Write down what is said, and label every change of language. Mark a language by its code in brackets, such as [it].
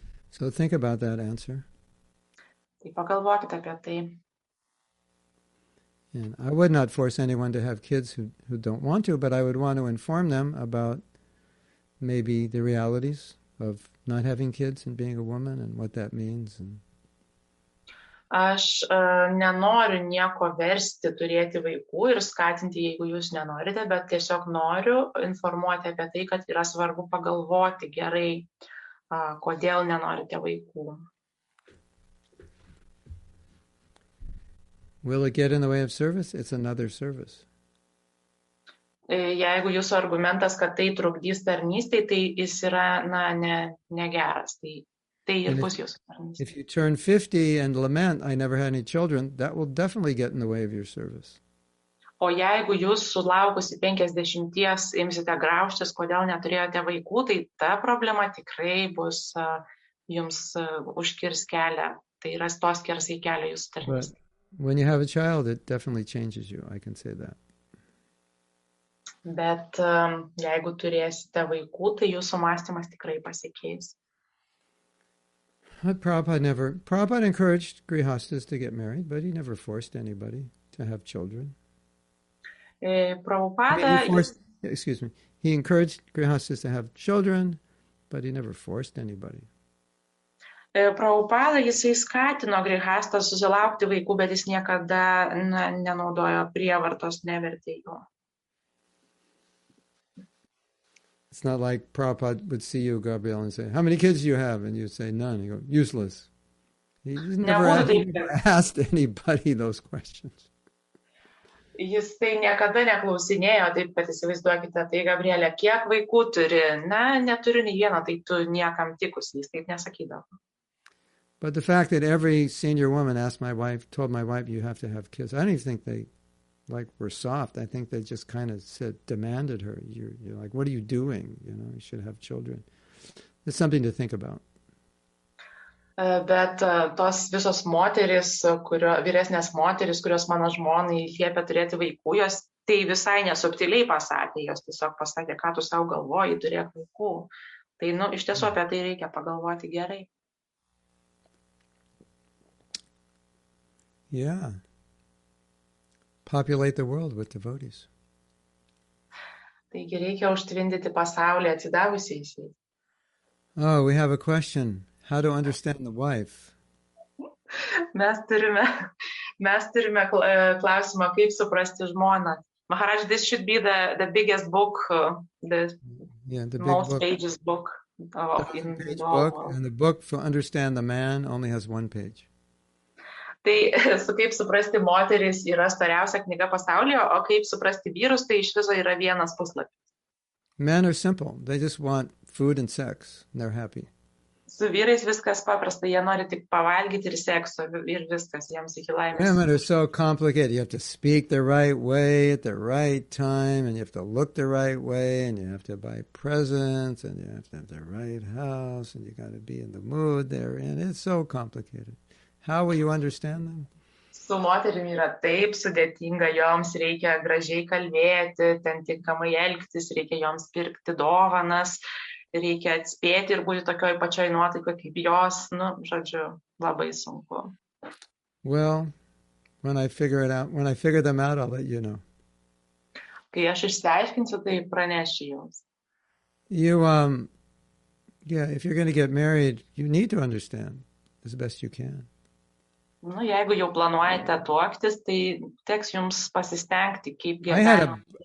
[en] So think about that answer. [lt] Tai pagalvokite apie tai. [en] And I would not force anyone to have kids who don't want to, but I would want to inform them about maybe the realities of not having kids and being a woman and what that means. And [lt] aš nenoriu nieko versti turėti vaikų ir skatinti, jeigu jūs nenorite, bet tiesiog noriu informuoti apie tai, kad yra svarbu pagalvoti gerai, kodėl nenorite vaikų. [en] Will it get in the way of service? It's another service. [lt] Jeigu jūsų argumentas, kad tai trukdys tarnystei, tai jis yra negeras. Tai ir bus jūsų tarnystė. [en] If you turn 50 and lament, I never had any children, that will definitely get in the way of your service. [lt] O jeigu jūs sulaukusi 50 imsite grauštis, kodėl neturėjote vaikų, tai ta problema tikrai bus jums užkirs kelią. Tai yra tos skersai kelią jūsų tarnystė. [en] When you have a child, it definitely changes you, I can say that. [lt] Bet jeigu turėsite vaikų, tai jūsų mąstymas tikrai pasikeis. [en] Prabhupada encouraged grihastas to get married, but he never forced anybody to have children. He encouraged grihastas to have children, but he never forced anybody. [lt] Prabhupada, jisai skatino grihastas susilaukti vaikų, bet jis niekada nenaudojo prievartos, nevertė jų. [en] It's not like Prabhupada would see you, Gabriel, and say, how many kids do you have? And you'd say, none. He goes, useless. He never asked anybody those questions. [lt] Jis tai niekada neklausinėjo, taip, bet įsivaizduokite, tai Gabrielė, kiek vaikų turi? Na, neturi nei vieno, tai tu niekam tikus, jis taip nesakydavo. [en] But the fact that every senior woman asked my wife, told my wife, you have to have kids. I don't even think they like were soft. I think they just kind of said, demanded her. You're like, what are you doing? You know, you should have children. It's something to think about. [lt] Bet tos visos moterys, kurio, vyresnės moterys, kurios mano žmonai liepia turėti vaikų, jos tai visai nesubtiliai pasakė, jos tiesiog pasakė, ką tu savo galvoji, turėk vaikų. Tai, nu, iš tiesų apie tai reikia pagalvoti gerai. [en] Yeah. Populate the world with devotees. [lt] Taigi reikia užtvindyti pasaulį atsidavusiais. [en] Oh, we have a question. How to understand the wife? [lt] Mes turime klausimą, kaip suprasti žmoną. [en] Maharaj, this should be the biggest book, the big most book. Pages book. Book, and the book for understand the man only has one page. [lt] Tai su kaip suprasti moteris yra storiausia knyga pasaulyje, o kaip suprasti vyrus, tai iš viso yra vienas puslapis. [en] Men are simple. They just want food and sex, and they're happy. [lt] Su vyrais viskas paprasta, jie nori tik pavalgyti ir sekso ir viskas, jiems iki laimės. [en] Women are so complicated. You have to speak the right way at the right time, and you have to look the right way, and you have to buy presents, and you have to have the right house, and you got to be in the mood they're in. It's so complicated. How will you understand them? [lt] Su moterim yra taip sudėtinga, joms reikia gražiai kalbėti, ten tinkamai elgtis, reikia joms pirkti dovanas, reikia atspėti ir būti tokioj pačioj nuotaikoj kaip jos, nu, žodžiu, labai sunku. [en] Well, when I figure them out, I'll let you know. [lt] Kai aš išsiaiškinsiu, tai pranešiu jums. [en] If you're going to get married, you need to understand as best you can. [lt] Nu, jeigu jau planuojate tuoktis, tai teks jums pasistengti, kaip gyvenimą.